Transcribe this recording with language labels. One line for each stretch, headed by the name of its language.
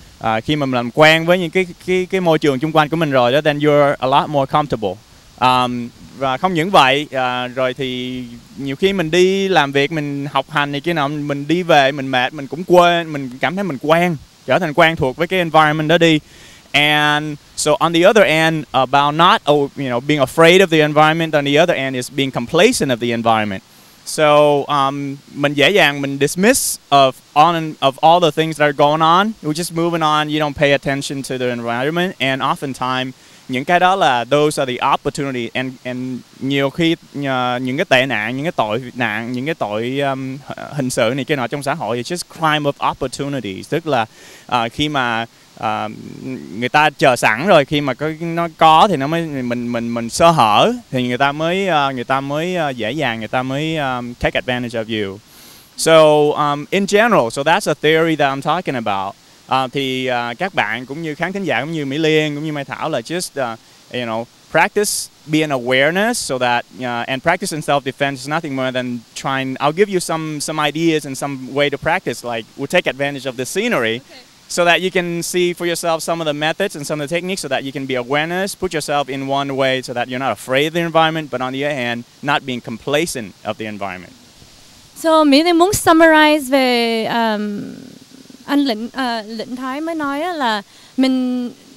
Vietnamese: Khi mà mình làm quen với những cái môi trường xung quanh của mình rồi đó,
English: then you're a lot more comfortable.
Vietnamese: Và không những vậy, rồi thì nhiều khi mình đi làm việc, mình học hành này kia nọ, mình đi về mình mệt, mình cũng quên, mình cảm thấy mình quen, trở thành quen thuộc với cái environment đó đi.
English: And so on the other end, about not, you know, being afraid of the environment, on the other end is being complacent of the environment. So
Vietnamese: mình dễ dàng mình
English: dismiss of all the things that are going on. We're just moving on. You don't pay attention to the environment. And oftentimes,
Vietnamese: những cái đó là
English: those are the opportunity.
Vietnamese: And nhiều khi những cái tệ nạn, những cái tội nạn, những cái tội hình sự này kia nọ trong xã hội,
English: it's just crime of opportunities.
Vietnamese: Tức là khi mà người ta chờ sẵn rồi, khi mà nó có thì nó mới mình sơ hở thì người ta mới dễ dàng, người ta mới
English: take advantage of you. So in general, so that's a theory that I'm talking about.
Vietnamese: Thì các bạn cũng như khán thính giả cũng như Mỹ Liên cũng như Mai Thảo là
English: just you know, practice being awareness so that and practice in self defense is nothing more than trying. I'll give you some ideas and some way to practice, like we'll take advantage of the scenery. Okay. So that you can see for yourself some of the methods and some of the techniques, so that you can be awareness, put yourself in one way, so that you're not afraid of the environment, but on the other hand, not being complacent of the environment.
Vietnamese: So, Mỹ Linh muốn summarize về anh Lĩnh Thái mới nói là mình